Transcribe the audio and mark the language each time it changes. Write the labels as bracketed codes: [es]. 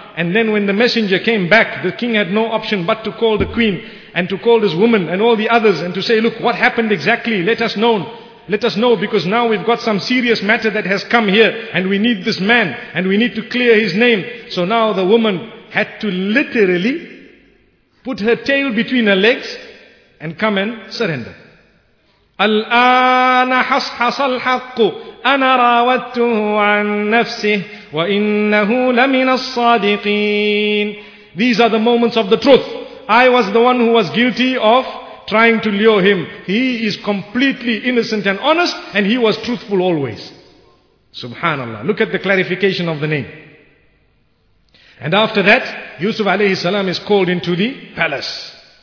[en] And then when the messenger came back, the king had no option but to call the queen and to call this woman and all the others and to say, look, what happened exactly? Let us know. Let us know, because now we've got some serious matter that has come here and we need this man and we need to clear his name. So now the woman had to literally put her tail between her legs and come and surrender. [ar] الآن حصحص الحق أنا راودته عن نفسه وإنه لمن الصادقين. [en] These are the moments of the truth. I was the one who was guilty of trying to lure him. He is completely innocent and honest, and he was truthful always. Subhanallah. Look at the clarification of the name. And after that, Yusuf alayhi salam is called into the palace.